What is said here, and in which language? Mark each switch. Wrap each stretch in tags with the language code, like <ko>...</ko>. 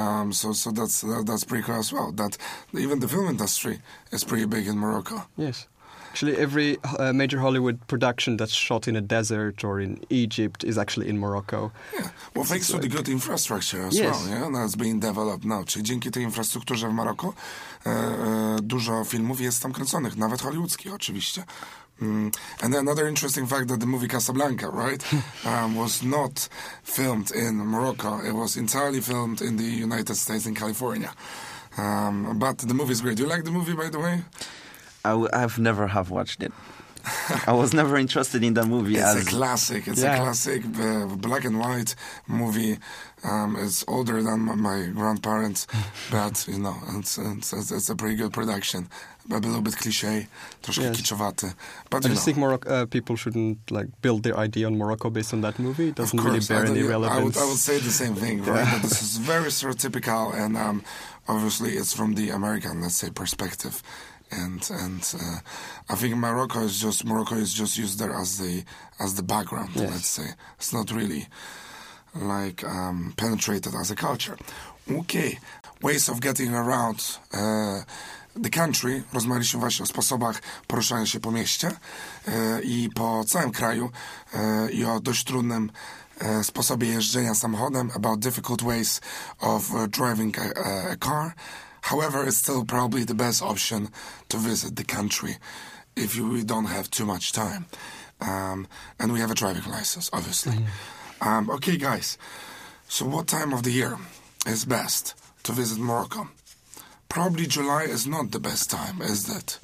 <en>So that's pretty cool as well. That even the film industry is pretty big in Morocco. Yes. Actually, every major Hollywood production that's shot in a desert or in Egypt is actually in Morocco. Yeah. Well, thanks to the good infrastructure as well, yeah, that's being developed now.</en> <pl>Czyli dzięki tej infrastrukturze w Maroko dużo filmów jest tam kręconych, nawet hollywoodzkich oczywiście.</pl> <en>And another interesting fact that the movie Casablanca, right, was not filmed in Morocco. It was entirely filmed in the United States in California. But the movie is great. Do you like the movie, by the way? I've never watched it. I was never interested in the movie. It's a classic. The black and white movie. It's older than my grandparents, but you know, it's a pretty good production. But a little bit cliche,</en> <pl>troszkę kiczowate.</pl> <en>But I just think people shouldn't like build their idea on Morocco based on that movie. It doesn't really bear any relevance. I would say the same thing, right? Yeah. This is very stereotypical, and obviously it's from the American, let's say, perspective. And I think Morocco is just used there as the background, yes. Let's say. It's not really like penetrated as a culture. Okay, ways of getting around the country.</en> <pl>Rozmawialiśmy właśnie o sposobach poruszania się po mieście i po całym kraju i o dość trudnym sposobie jeżdżenia samochodem,</pl> <en>about difficult ways of driving a car. However, it's still probably the best option to visit the country if you don't have too much time. And we have a driving license, obviously. Okay, guys. So what time of the year is best to visit Morocco? Probably July is not the best time, is it?</en>